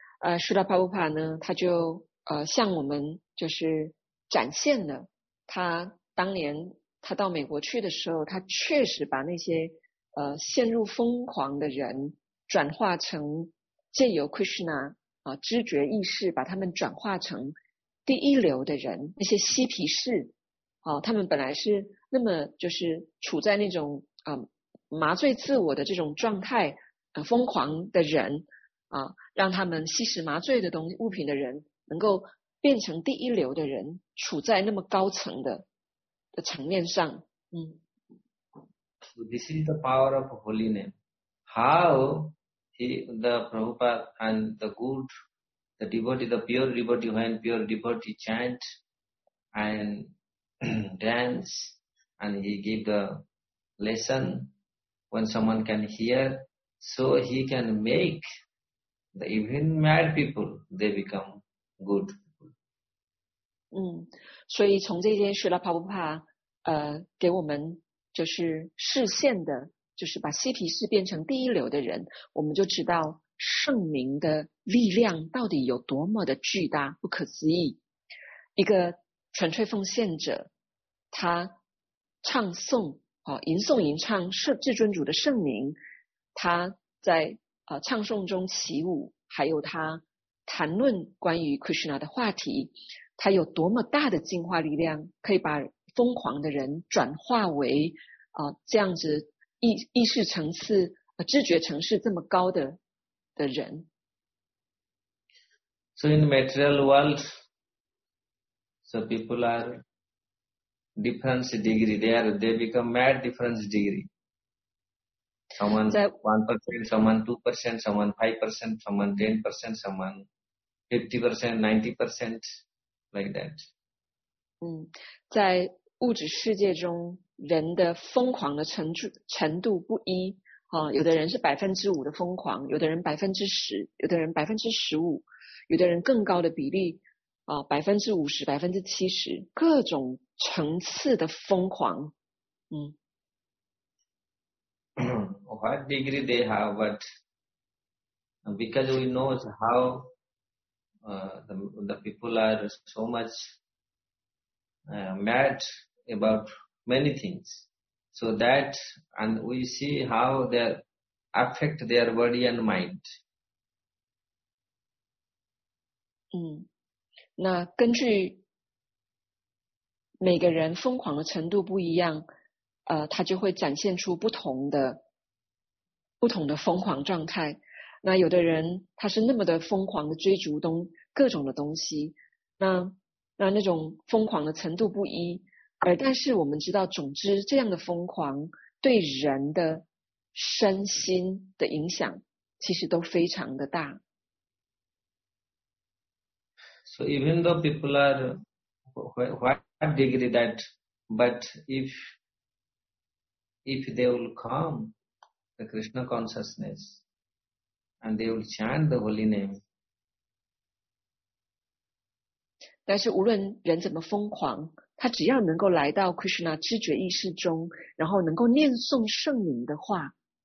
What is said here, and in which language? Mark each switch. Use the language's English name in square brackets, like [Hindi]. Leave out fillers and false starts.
[Chinese] Srila Prabhupada 呢他就向我们就是展现了他当年他到美国去的时候，他确实把那些陷入疯狂的人转化成借由 Krishna 知觉意识，把他们转化成第一流的人，那些嬉皮士他们本来是那么就是处在那种麻醉自我的这种状态疯狂的人让他们吸食麻醉的东西物品的人能够变成第一流的人，处在那么高层的层面上。 [English] So this is the power of holy name. How he, the Prabhupada and the good, the devotee, the pure devotee, when pure devotee chant and dance and he give the lesson, when someone can hear, so he can make the even mad people, they become good. [Chinese] 所以从这件事了，帕布帕给我们就是视线的，就是把嬉皮士变成第一流的人，我们就知道圣名的力量到底有多么的巨大，不可思议。一个纯粹奉献者，他唱诵吟诵吟唱至尊主的圣名，他在唱诵中起舞，还有他谈论关于 Krishna 的话题，他有多么大的净化力量，可以把疯狂的人转化为这样子意识层次知觉层次这么高的人。 [English] So in the material world, so people are different degree. They become mad different degree. Someone 1%, someone 2%, someone 5%, someone 10%, someone 50%, 90%, like that. [Chinese] 在物质世界中，人的疯狂的程度不一有的人是5%的疯狂，有的人10%，有的人15%，有的人更高的比例50%、70%，各种层次的疯狂。 [English] What degree they have, but because we know how the people are so much mad about many things, so that, and we see how they affect their body and mind. [Chinese] 那根据每个人疯狂的程度不一样，他就会展现出不同的疯狂状态。那有的人他是那么的疯狂的追逐各种的东西，那种疯狂的程度不一，而但是我们知道，总之这样的疯狂对人的身心的影响其实都非常的大。 [English] So even though people are what degree that, but if they will come the Krishna consciousness and they will chant the holy name. [Chinese] 但是无论人怎么疯狂，他只要能够来到 Krishna 知觉意识中，然后能够念诵圣名的话